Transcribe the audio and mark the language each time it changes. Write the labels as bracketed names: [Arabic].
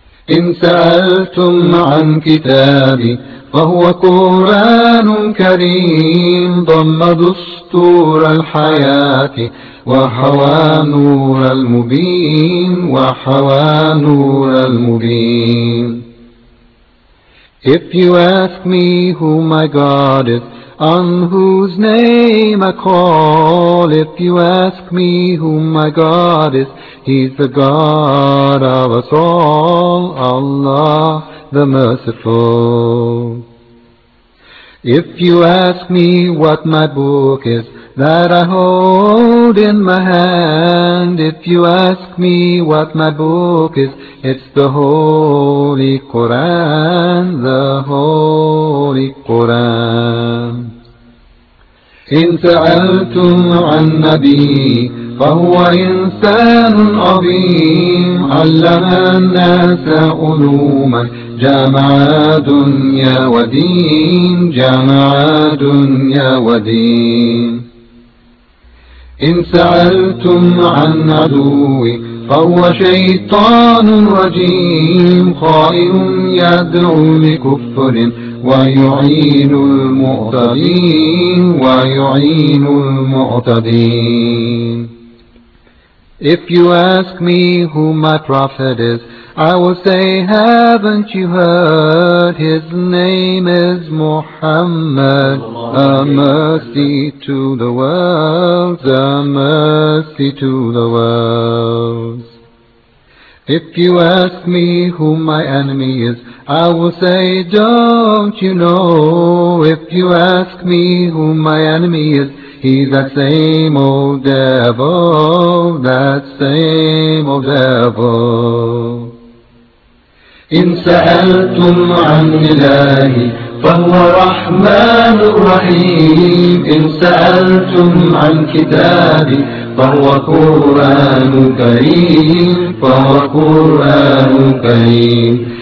[Arabic] إن سألتم عن كتابي فهو قرآن كريم، ضم دستور الحياة وحوى نور المبين، وحوى نور المبين. [English] If you ask me who my God is, on whose name I call, if you ask me who my God is, He's the God of us all, Allah the Merciful. If you ask me what my book is that I hold in my hand, if you ask me what my book is, it's the Holy Quran, the Holy Quran. [Arabic] إن سألتم عن نبي فهو إنسان عظيم، علم الناس علوما جمع دنيا ودين، جمع دنيا ودين. إن سألتم عن عدوي فهو شيطان رجيم، خائن يدعو لكفر ويعين المعتدين، ويعين المعتدين. [English] If you ask me who my prophet is, I will say, haven't you heard? His name is Muhammad, a mercy to the world, a mercy to the world. If you ask me who my enemy is, I will say, don't you know? If you ask me who my enemy is, he's that same old devil, that same old devil. [Arabic] إن سألتم عن إلهي فهو رحمن رحيم، إن سألتم عن كتابي فهو قرآن كريم، فهو قرآن كريم.